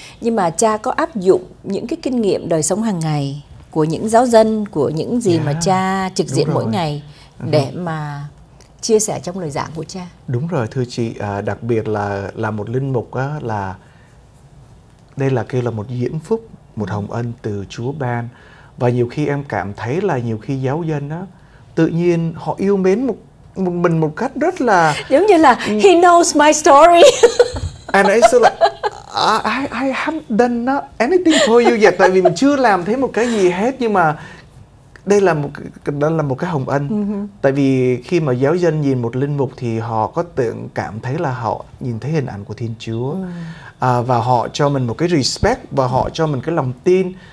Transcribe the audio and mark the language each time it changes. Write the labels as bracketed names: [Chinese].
[Vietnamese] Nhưng mà cha có áp dụng những cái kinh nghiệm đời sống hàng ngày của những giáo dân, của những gì yeah. mà cha trực diện mỗi ngày để mà chia sẻ trong lời giảng của cha? Đúng rồi, thưa chị, đặc biệt là một linh mục á, là đây là kêu là một diễm phúc, một hồng ân từ Chúa ban. Và nhiều khi em cảm thấy là nhiều khi giáo dân á, tự nhiên họ yêu mến một mình một cách rất là... Giống như là, [English] he knows my story. And I said like, I haven't done anything for you yet. [Vietnamese] Tại vì mình chưa làm thấy một cái gì hết, nhưng mà đây là một cái hồng ân. Tại vì khi mà giáo dân nhìn một linh mục thì họ có tự cảm thấy là họ nhìn thấy hình ảnh của Thiên Chúa. Và họ cho mình một cái respect và họ cho mình cái lòng tin.